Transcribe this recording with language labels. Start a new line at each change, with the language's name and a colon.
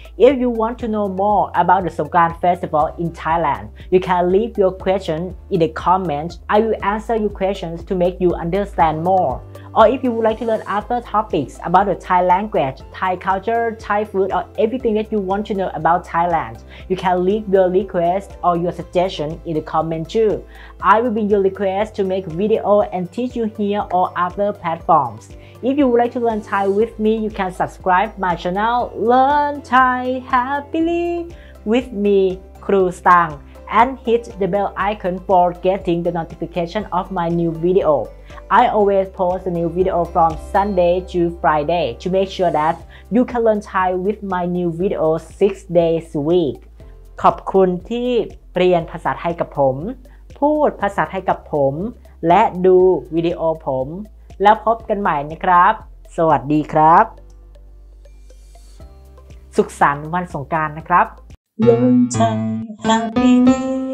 English: if you want to know more about the Songkran festival in Thailand you can leave your question in the comment I will answer your questions to make you understand moreOr if you would like to learn other topics about the Thai language, Thai culture, Thai food, or everything that you want to know about Thailand, you can leave your request or your suggestion in the comment too. I will bring your request to make video and teach you here or other platforms. If you would like to learn Thai with me, you can subscribe my channel, Learn Thai Happily with me, Kru Stang, and hit the bell icon for getting the notification of my new video. I always post a new video from Sunday to Friday to make sure that you can learn Thai with my new video 6 days a week.
Thai: ขอบคุณที่เรียนภาษาไทยกับผมพูดภาษาไทยกับผมและดูวิดีโอผมแล้วพบกันใหม่นะครับสวัสดีครับสุขสันต์วันสงกรานต์นะครับ
English: Learn Thai Happy New Year